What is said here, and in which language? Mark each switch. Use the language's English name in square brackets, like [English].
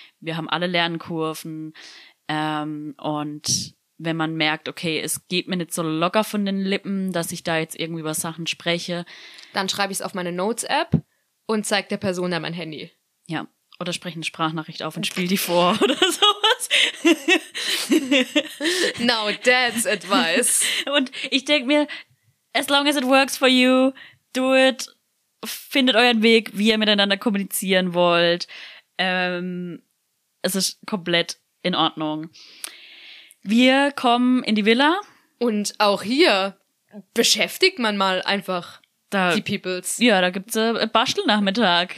[German] Wir haben alle Lernkurven. Und wenn man merkt, okay, es geht mir nicht so locker von den Lippen, dass ich da jetzt irgendwie über Sachen spreche. Dann schreibe ich es auf meine Notes-App und zeige der Person dann mein Handy. Ja, oder spreche eine Sprachnachricht auf und spiele die vor oder sowas. [English] Now that's advice. [German] Und ich denke mir, [English] as long as it works for you, do it. [German] Findet euren Weg, wie ihr miteinander kommunizieren wollt. Es ist komplett in Ordnung. Wir kommen in die Villa. Und auch hier beschäftigt man mal einfach da, die Peoples. Ja, da gibt's Bastelnachmittag.